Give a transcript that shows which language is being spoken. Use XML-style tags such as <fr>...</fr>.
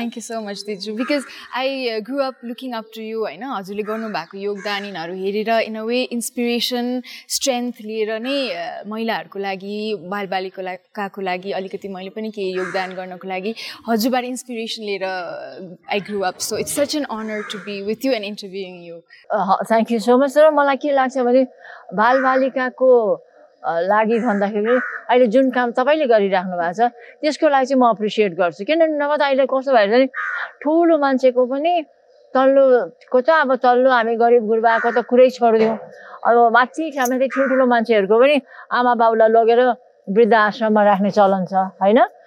<en>thank you so much दिजु, because I grew up looking up to you,</en> <ne>होइन, हजुरले गर्नुभएको योगदानहरू हेरेर</ne> <en>in a way</en> <ne>inspiration strength लिएर नै महिलाहरूको लागि, बालबालिकाको लागि अलिकति मैले पनि केही योगदान गर्नको लागि हजुरबाट इन्सपिरेसन लिएर</ne> <en>I grew up. So it's such an honour to be with you and interviewing you. Thank you so much.</en> <ne>तर मलाई के लाग्छ भने बालबालिकाको लागि भन्दाखेरि अहिले जुन काम तपाईँले गरिराख्नु भएको छ त्यसको लागि चाहिँ म अप्रिसिएट गर्छु, किनभने नभए त अहिले कस्तो भएर चाहिँ ठुलो मान्छेको पनि तल्लोको त अब तल्लो हामी गरिब गुरुबाको त कुरै छोडिदिउँ, अब माथि खाना चाहिँ ठुल्ठुलो मान्छेहरूको पनि आमा बाउलाई लगेर वृद्ध आश्रममा राख्ने चलन छ, होइन?</ne>